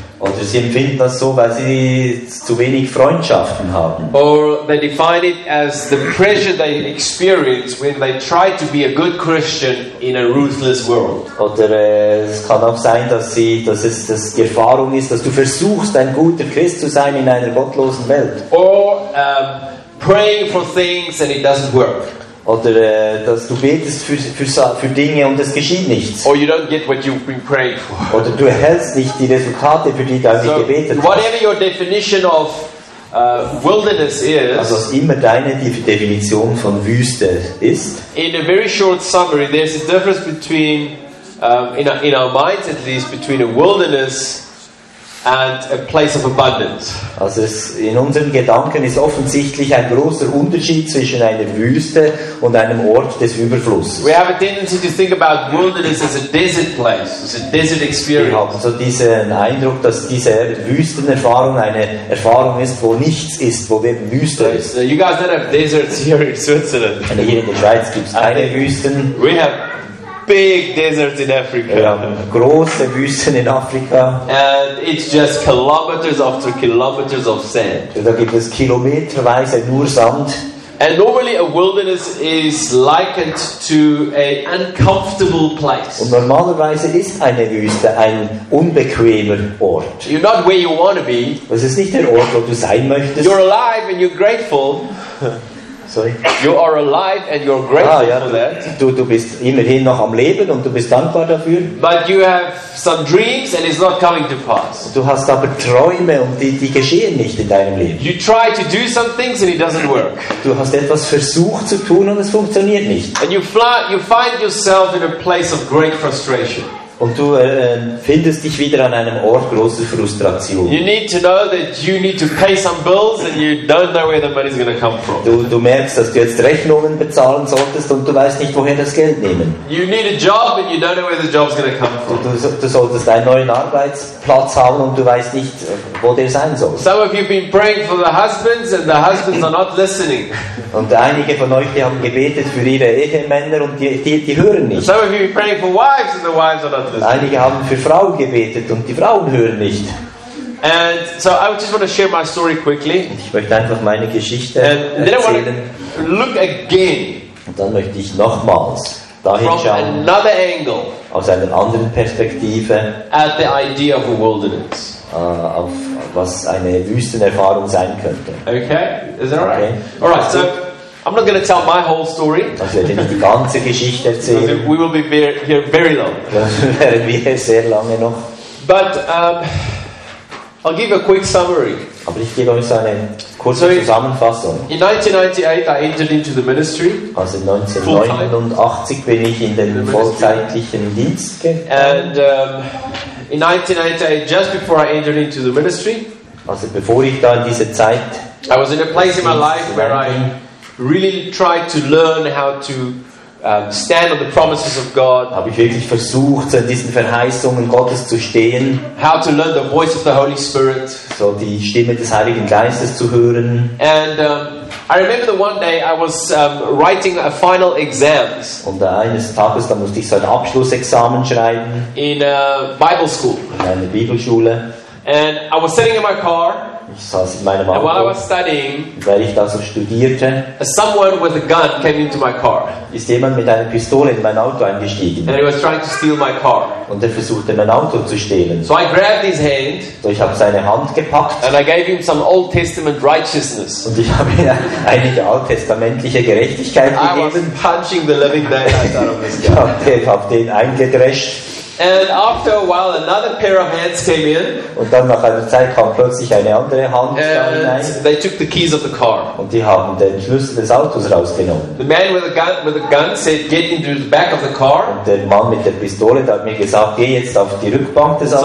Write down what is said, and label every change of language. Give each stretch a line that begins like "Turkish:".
German: Oder sie empfinden das so, weil sie zu wenig Freundschaften haben.
English: Or they define it as the pressure they experience when they try to be a good Christian in a ruthless world.
German: Oder es kann auch sein, dass es die Erfahrung ist, dass du versuchst, ein guter Christ zu sein in einer gottlosen Welt.
English: Or praying for things and it doesn't work.
German: Oder dass du betest für Dinge und es geschieht nichts.
English: Or you don't get what you've been praying for.
German: Oder du erhältst nicht die Resultate, für die du eigentlich gebetet hast.
English: Whatever your definition of wilderness is,
German: also was immer deine Definition von Wüste ist.
English: In a very short summary, there's a difference between in our minds at least between a wilderness and a place of abundance.
German: Also es, in unseren Gedanken ist offensichtlich ein großer Unterschied zwischen einer Wüste und einem Ort des Überflusses.
English: We have a tendency to think about wilderness as a desert place, as a desert experience.
German: Wir haben so diesen Eindruck, dass diese Wüstenerfahrung eine Erfahrung ist, wo nichts ist, wo eben Wüste ist.
English: So you guys don't have deserts here in Switzerland.
German: Hier in der Schweiz gibt es keine Wüsten.
English: We have big deserts in Africa.
German: Wir haben große Wüsten in Afrika.
English: And it's just kilometers after kilometers of sand.
German: Da gibt es kilometerweise nur Sand.
English: And normally a wilderness is likened to an uncomfortable place.
German: Und normalerweise ist eine Wüste ein unbequemer Ort.
English: You're not where you want to be.
German: Es ist nicht der Ort, wo du sein möchtest.
English: You're alive and you're grateful. Sorry. You are alive and you're grateful ja, for that.
German: Du bist immerhin noch am Leben und du bist dankbar dafür.
English: But you have some dreams and it's not coming to pass.
German: Du hast aber Träume und die geschehen nicht in deinem Leben.
English: You try to do some things and it doesn't work.
German: Du hast etwas versucht zu tun und es funktioniert nicht.
English: And you find yourself in a place of great frustration.
German: Und du findest dich wieder an einem Ort großer Frustration.
English: You need to know that you need to pay some bills and you don't know where the money is going to come from.
German: Du merkst, dass du jetzt Rechnungen bezahlen solltest und du weißt nicht, woher das Geld nehmen.
English: You need a job and you don't know where the job is going to come from.
German: Du solltest einen neuen Arbeitsplatz haben und du weißt nicht, wo der sein soll.
English: Some of you have been praying for the husbands and the husbands are not listening.
German: Und einige von euch, die haben gebetet für ihre Ehemänner und die hören nicht.
English: Some of you have been praying for wives and the wives are not.
German: Einige haben für Frauen gebetet und die Frauen hören nicht.
English: And so I just want to share my story quickly.
German: Ich möchte einfach meine Geschichte erzählen.
English: Look again.
German: Und dann möchte ich nochmals dahin
English: from
German: schauen.
English: Another angle
German: aus einer anderen Perspektive.
English: At the idea of a wilderness.
German: Auf was eine Wüstenerfahrung sein könnte.
English: Okay, is that okay. All right. So I'm not going to tell my whole story.
German: Ich werde nicht die ganze Geschichte erzählen.
English: We will be here very long.
German: Werden wir hier sehr lange noch.
English: But I'll give a quick summary.
German: Aber ich gebe euch so eine kurze Zusammenfassung.
English: In 1998 I entered into the ministry.
German: Also 1989 bin ich in den vollzeitlichen Dienst gegangen.
English: And in 1998, just before I entered into the ministry.
German: Also bevor ich da in diese Zeit.
English: I was in a place in my life where I really tried to learn how to stand on the promises of God.
German: Habe ich wirklich versucht, an diesen Verheißungen Gottes zu stehen.
English: How to learn the voice of the Holy Spirit.
German: So die Stimme des Heiligen Geistes zu hören.
English: And I remember the one day I was writing a final exams.
German: Und eines Tages, da musste ich so ein Abschlussexamen schreiben.
English: In a Bible school.
German: In einer Bibelschule.
English: And I was sitting in my car.
German: Ich saß in meinem Auto.
English: And while I was studying,
German: weil ich da so studierte,
English: someone with a gun came into my car.
German: Ist jemand mit einer Pistole in mein Auto eingestiegen.
English: And he was trying to steal my car.
German: Und er versuchte mein Auto zu stehlen.
English: So I grabbed his hand.
German: So ich habe seine Hand gepackt.
English: And I gave him some Old Testament righteousness.
German: Und ich habe ihm einige alttestamentliche Gerechtigkeit
English: I
German: gegeben.
English: Was punching the living daylights out of this guy.
German: Ich hab den eingedrescht.
English: And after a while, another pair of hands came in.
German: Und dann nach einer Zeit kam plötzlich eine andere Hand da hinein.
English: They took the keys of the car.
German: Und die haben den Schlüssel des Autos rausgenommen.
English: The man with a gun said, "Get into the back of the car."
German: Und der Mann mit der Pistole hat mir gesagt, geh jetzt auf die Rückbank des Autos.